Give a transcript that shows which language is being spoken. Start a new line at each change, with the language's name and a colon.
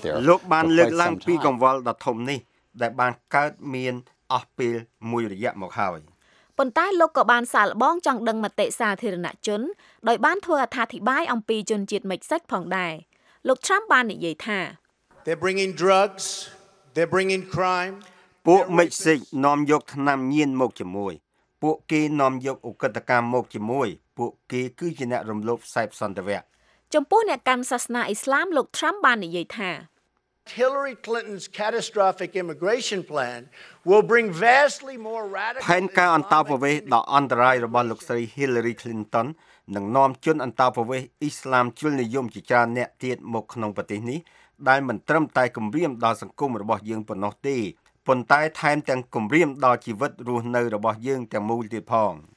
Khmer: លោកបានលើកឡើងពីកង្វល់ដ៏ធំនេះដែលបានកើតមានអស់ពេលមួយរយៈមកហើយ ប៉ុន្តែលោកក៏បានសាកល្បងចង់ដឹងមតិសាធារណជនដោយបានធ្វើអត្ថាធិប្បាយអំពីជនជាតិមិចសិចផងដែរលោក Trump បាននិយាយថា
English: They're bringing drugs they're bringing crime
Khmer: ពួកមិចសិចនាំយកថ្នាំញៀនមកជាមួយពួកគេនាំយកឧក្រិដ្ឋកម្មមកជាមួយពួកគេគឺជាអ្នករំលោភសិទ្ធិសន្តិវៈ ចំពោះអ្នកកាន់សាសនាអ៊ីស្លាមលោក Trump បាននិយាយថា
English: Hillary Clinton's catastrophic immigration plan will bring vastly more radical
Khmer: ផែនការអន្តោប្រវេសន៍ដ៏អន្តរាយរបស់លោកស្រី Hillary Clinton នឹងនាំជនអន្តោប្រវេសន៍អ៊ីស្លាមជ្រុលនិយមជាច្រើនអ្នកទៀតមកក្នុងប្រទេសនេះដែលមិនត្រឹមតែគំរាមដល់សង្គមរបស់យើងប៉ុណ្ណោះទេប៉ុន្តែថែមទាំងគំរាមដល់ជីវិតរស់នៅរបស់យើងទាំងមូលទៀតផង